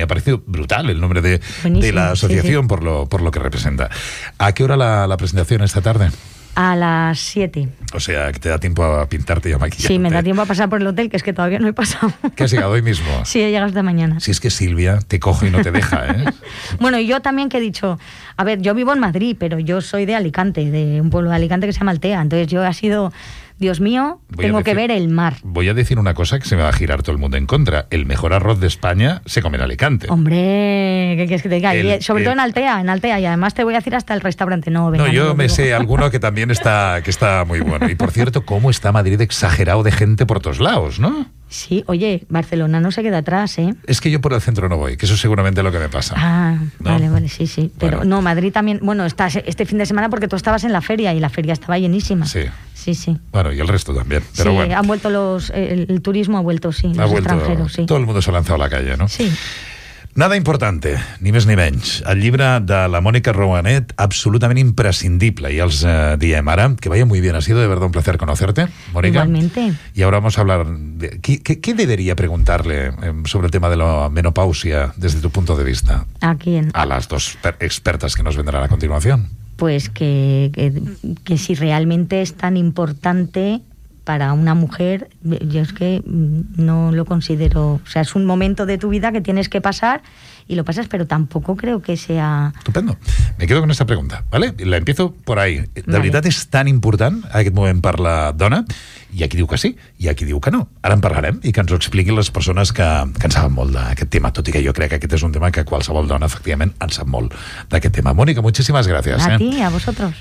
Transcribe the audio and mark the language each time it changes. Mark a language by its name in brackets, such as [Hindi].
[Spanish] Me ha parecido brutal el nombre de l'associació, sí, sí. por lo que representa. ¿A qué hora la presentación esta tarde? A las 7. O sea, que te da tiempo a pintarte y a maquillarte. Sí, me da tiempo a pasar por el hotel, que es que todavía no he pasado. ¿Qué has llegado hoy mismo? Sí, he llegado hasta mañana. Si es que Silvia te coge y no te deja, ¿eh? Bueno, y yo también que he dicho... A ver, yo vivo en Madrid, pero yo soy de Alicante, de un pueblo de Alicante que se llama Altea. Entonces yo he sido... Dios mío, tengo que ver el mar. Voy a decir una cosa que se me va a girar todo el mundo en contra. El mejor arroz de España se come en Alicante. Hombre, ¿qué quieres que te diga? Sobre todo en Altea. Y además te voy a decir hasta el restaurante. No, venga, no yo no me sé alguno que también está muy bueno. Y por cierto, ¿cómo está Madrid exagerado de gente por todos lados, no? Sí, oye, Barcelona no se queda atrás, ¿eh? Es que yo por el centro no voy, que eso es seguramente lo que me pasa. Ah, ¿no? vale, sí, sí. Pero bueno. No, Madrid también... Bueno, estás este fin de semana porque tú estabas en la feria y la feria estaba llenísima. Sí. Sí, sí. Bueno, y el resto también. Pero sí, bueno. Han vuelto los... El turismo ha vuelto, sí. Ha los vuelto, extranjeros, sí. Todo el mundo se ha lanzado a la calle, ¿no? Sí. [Catalan] Nada importante, ni més ni menys. El llibre de la Mònica Rouanet, absolutament imprescindible. Ja els diem ara, [Spanish] que vaya muy bien. Ha sido de verdad un placer conocerte, Mònica. Igualmente. Y ahora vamos a hablar... ¿Qué debería preguntarle sobre el tema de la menopausia desde tu punto de vista? ¿A quién? A las dos expertas que nos vendrán a continuación. Pues que si realmente es tan importante para una mujer, yo es que no lo considero... O sea, es un momento de tu vida que tienes que pasar y lo pasas, pero tampoco creo que sea... Estupendo. Me quedo con esta pregunta, ¿vale? La empiezo por ahí. [Catalan] De veritat és tan important aquest moment per la dona? I aquí diu que sí, i aquí diu que no. Ara en parlarem i que ens ho expliquin les persones que en saben molt d'aquest tema, tot i que jo crec que aquest és un tema que qualsevol dona, efectivament, en sap molt d'aquest tema. Mònica, moltíssimes gràcies. [Spanish] A ti, a vosotros.